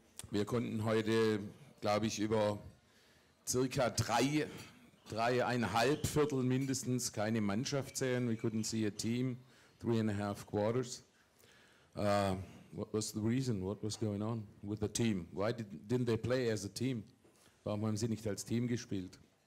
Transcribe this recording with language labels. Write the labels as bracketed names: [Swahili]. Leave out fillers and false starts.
[German] Wir konnten heute, glaube ich, über circa 3,5 Viertel mindestens keine Mannschaft sehen. [English] We couldn't see a team, 3.5 quarters. What was the reason? What was going on with the team? Why didn't they play as a team? [German] Warum haben sie nicht als Team gespielt?